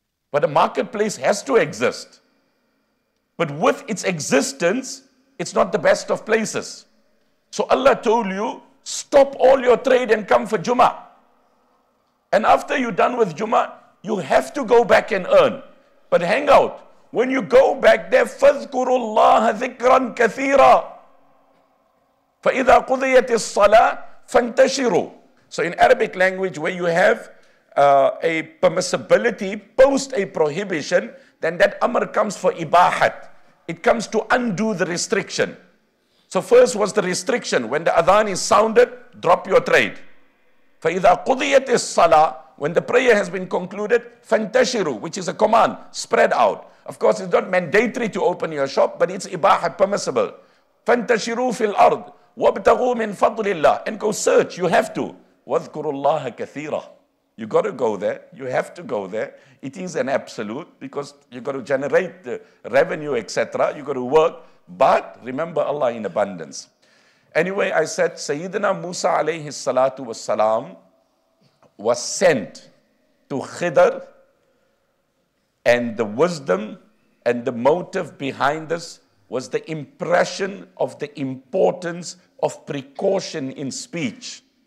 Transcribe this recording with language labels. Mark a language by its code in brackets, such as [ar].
[en] But a marketplace has to exist. But with its existence, it's not the best of places. So Allah told you, stop all your trade and come for Jummah. And after you're done with Jummah, you have to go back and earn. But hang out. When you go back there, [ar] فَذْكُرُ اللَّهَ ذِكْرًا كَثِيرًا فَإِذَا قُضِيَتِ الصَّلَاةِ فَانْتَشِرُوا. [en] So in Arabic language, where you have a permissibility post a prohibition, then that amr comes for ibahat. It comes to undo the restriction. So first was the restriction. When the adhan is sounded, drop your trade. [ar] فَإِذَا قُضِيَتِ الصَّلَاةِ, [en] when the prayer has been concluded, [ar] فَانْتَشِرُوا, [en] which is a command, spread out. Of course, it's not mandatory to open your shop, but it's ibahat, permissible. [ar] فَانْتَشِرُوا فِي الْأَرْضِ وَابْتَغُوا مِن فَضْلِ اللَّهِ, [en] and go search, you have to. [ar] وَذْكُرُوا اللَّهَ كَثِيرًا, [en] you got to go there, you have to go there. It is an absolute, because you got to generate the revenue, etc. You got to work, but remember Allah in abundance. Anyway, I said, Sayyidina Musa alayhi salatu wasalam was sent to Khidr, and the wisdom and the motive behind this was the impression of the importance of precaution in speech.